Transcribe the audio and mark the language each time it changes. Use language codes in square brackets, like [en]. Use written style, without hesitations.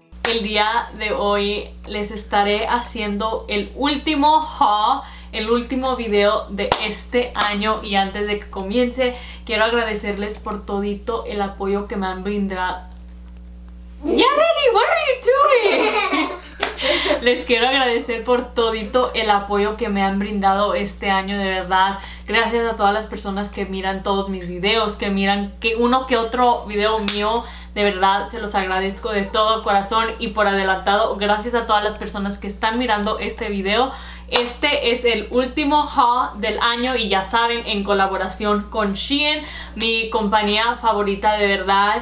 [es] El día de hoy les estaré haciendo el último haul, el último video de este año, y antes de que comience quiero agradecerles por todito el apoyo que me han brindado. [en] Yareli, what are you doing? [es] Les quiero agradecer por todito el apoyo que me han brindado este año, de verdad. Gracias a todas las personas que miran todos mis videos, que miran que uno que otro video mío. De verdad, se los agradezco de todo corazón y por adelantado. Gracias a todas las personas que están mirando este video. Este es el último haul del año y ya saben, en colaboración con Shein, mi compañía favorita, de verdad.